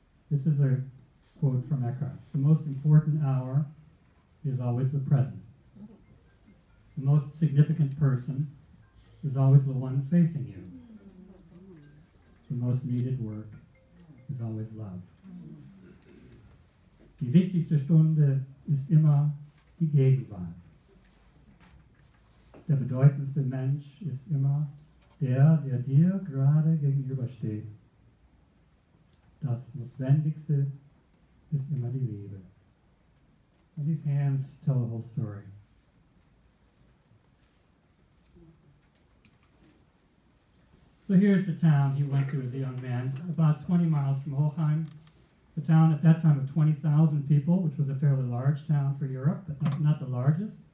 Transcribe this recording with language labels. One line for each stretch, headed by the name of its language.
English: This is a quote from Eckhart. The most important hour is always the present. The most significant person is always the one facing you. The most needed work is always love.
German: Die wichtigste Stunde ist immer die Gegenwart. Der bedeutendste Mensch ist immer der, der dir gerade gegenübersteht. Das Notwendigste ist immer die Liebe.
English: And these hands tell the whole story. So here's the town he went to as a young man, about 20 miles from Hohheim, a town at that time of 20,000 people, which was a fairly large town for Europe, but not the largest.